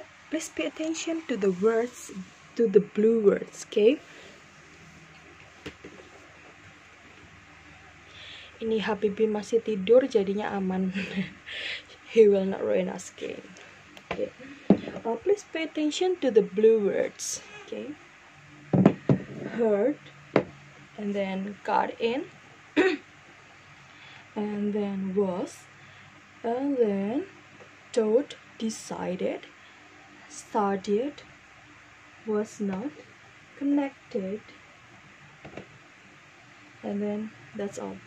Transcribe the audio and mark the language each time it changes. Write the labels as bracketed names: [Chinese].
[English] Please pay attention to the words, to the blue words. [Indonesian] Okay, ini Habibi masih tidur jadinya aman. [English] He will not ruin us. Okay, please pay attention to the blue words. Okay, heard, and then got in, and then was, and then told, decided, studied, was not, connected, and then that's all.